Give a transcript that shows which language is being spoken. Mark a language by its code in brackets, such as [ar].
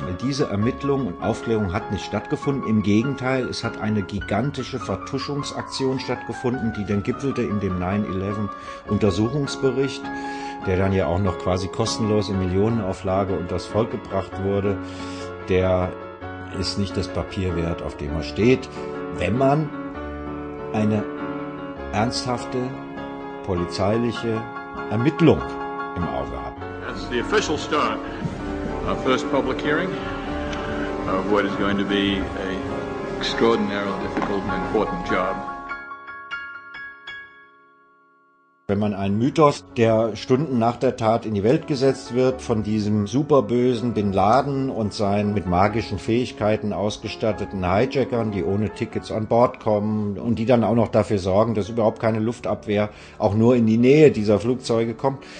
[de] Weil diese Ermittlung und Aufklärung hat nicht stattgefunden. Im Gegenteil, es hat eine gigantische Vertuschungsaktion stattgefunden, die dann gipfelte in dem 9/11-Untersuchungsbericht, der dann ja auch noch quasi kostenlos in Millionenauflage unter das Volk gebracht wurde. Der ist nicht das Papier wert, auf dem er steht. Wenn man eine ernsthafte polizeiliche Ermittlung im Auge hat. [en] That's the official start of first public hearing of what is going to be a extraordinarily difficult and important job. [de] Wenn man einen Mythos, der Stunden nach der Tat in die Welt gesetzt wird, von diesem superbösen Bin Laden und seinen mit magischen Fähigkeiten ausgestatteten Hijackern, die ohne Tickets an Bord kommen und die dann auch noch dafür sorgen, dass überhaupt keine Luftabwehr auch nur in die Nähe dieser Flugzeuge kommt.